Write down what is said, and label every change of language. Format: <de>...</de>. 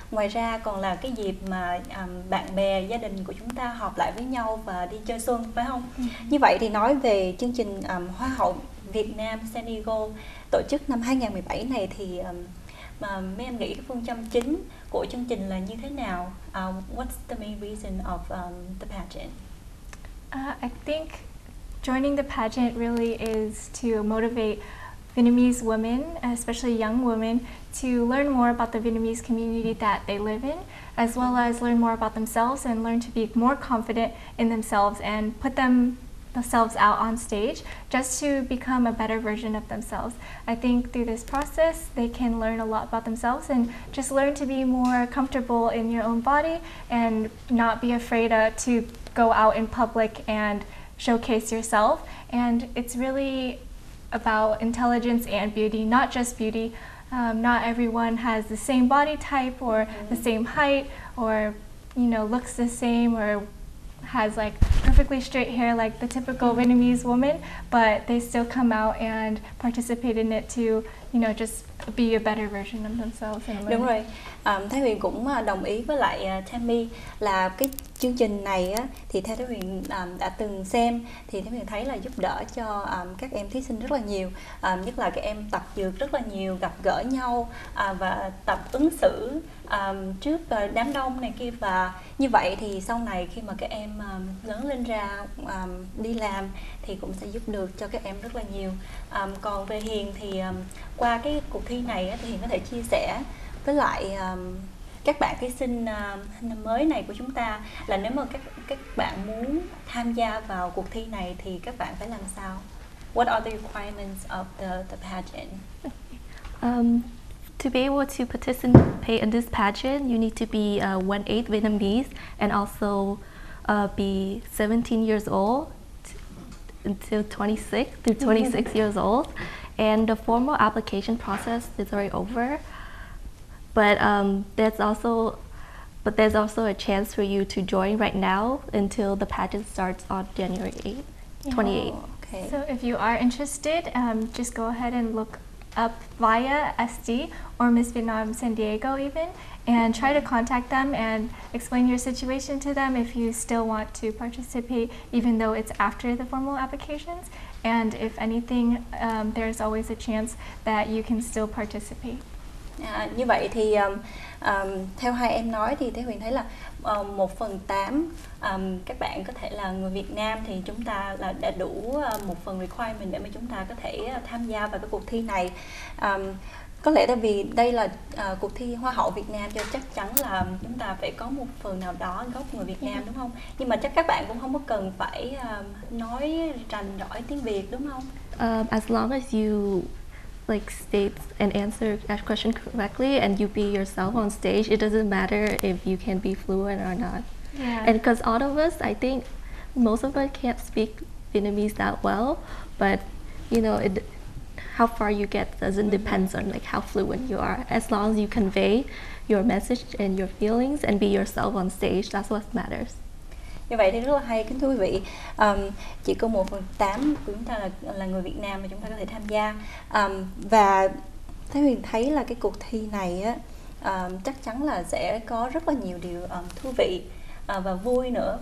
<vi>Ngoài ra còn là cái dịp mà bạn bè, gia đình của chúng ta họp lại với nhau và đi chơi xuân, phải không? Như vậy thì nói về chương trình Hoa hậu Việt Nam Senegal tổ chức năm 2017 này thì mấy em nghĩ cái phương châm chính của chương trình là như thế nào?</vi> <en>What's the main reason of the pageant? I think joining the pageant really is to motivate Vietnamese women, especially young women, to learn more about the Vietnamese community that they live in, as well as learn more about themselves and learn to be more confident in themselves and put themselves out on stage just to become a better version of themselves. I think through this process, they can learn a lot about themselves and just learn to be more comfortable in your own body and not be afraid to go out in public and showcase yourself. And it's really about intelligence and beauty, not just beauty. Not everyone has the same body type or the same height or, you know, looks the same or has like perfectly straight hair like the typical Vietnamese woman, but they still come out and participate in it to, you know, just be a better version of themselves.</en> <vi>Đúng rồi, Thái Huyền cũng đồng ý với lại Tammy là cái chương trình này á, thì theo Thái Huyền đã từng xem thì Thái Huyền thấy là giúp đỡ cho các em thí sinh rất là nhiều, nhất là các em tập dượt rất là nhiều, gặp gỡ nhau và tập ứng xử trước đám đông này kia, và như vậy thì sau này khi mà các em lớn lên ra đi làm thì cũng sẽ giúp được cho các em rất là nhiều. Còn về Hiền thì qua cái cuộc thi này thì Hiền có thể chia sẻ với lại các bạn thí sinh năm mới này của chúng ta là nếu mà các bạn muốn tham gia vào cuộc thi này thì các bạn phải làm sao?</vi> <en>What are the requirements of the pageant? To be able to participate in this pageant, you need to be 1/8 Vietnamese and also be 17 years old through 26 years old. And the formal application process is already over. But there's also a chance for you to join right now until the pageant starts on January 8th, 28th. Oh, okay. Okay. So if you are interested, just go ahead and look up via SD or Miss Vietnam San Diego even, and try to contact them and explain your situation to them if you still want to participate, even though it's after the formal applications. And if anything, there's always a chance that you can still participate.</en> <vi>Như vậy thì theo hai em nói thì Thế Huyền thấy là 1/8 các bạn có thể là người Việt Nam thì chúng ta là đã đủ một phần requirement để mà chúng ta có thể tham gia vào cái cuộc thi này. Có lẽ tại vì đây là cuộc thi Hoa hậu Việt Nam cho chắc chắn là chúng ta phải có một phần nào đó gốc người Việt Nam đúng không? Nhưng mà chắc các bạn cũng không có cần phải nói rành rõi tiếng Việt đúng không?</vi> <en>As long as you like state and answer that question correctly and you be yourself on stage, it doesn't matter if you can be fluent or not. Yeah. And because all of us, I think most of us can't speak Vietnamese that well, but you know, it, how far you get doesn't depend on like how fluent you are. As long as you convey your message and your feelings and be yourself on stage, that's what matters.</en> <vi>Như vậy thì rất là hay, kính thưa quý vị. Chỉ có 1/8 của chúng ta là người Việt Nam mà chúng ta có thể tham gia. Và Thế Huyền thấy là cái cuộc thi này á, chắc chắn là sẽ có rất là nhiều điều thú vị và vui nữa.</vi>